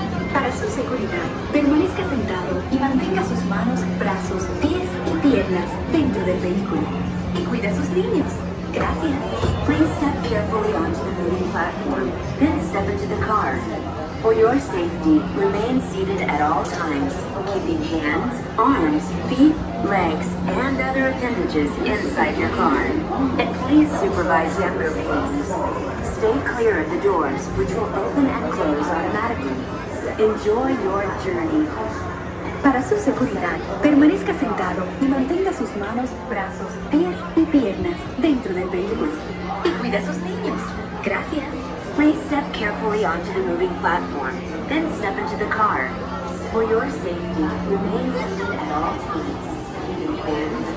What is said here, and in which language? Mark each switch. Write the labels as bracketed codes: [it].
[es] Para su seguridad, permanezca sentado y mantenga sus manos, brazos, pies y piernas dentro del vehículo. Y cuida a sus niños. Gracias. [en] Please step carefully onto the moving platform, then step into the car. For your safety, remain seated at all times, keeping hands, arms, feet, legs, and other appendages inside your car. And please supervise younger beings. Stay clear of the doors, which will open and close automatically. Enjoy your journey. [es] Para su seguridad, permanezca sentado y mantenga sus manos, brazos, pies y piernas dentro del vehículo. Y cuida a sus niños. Gracias. [en] Please step carefully onto the moving platform, then step into the car. For your safety, remain seated at all times.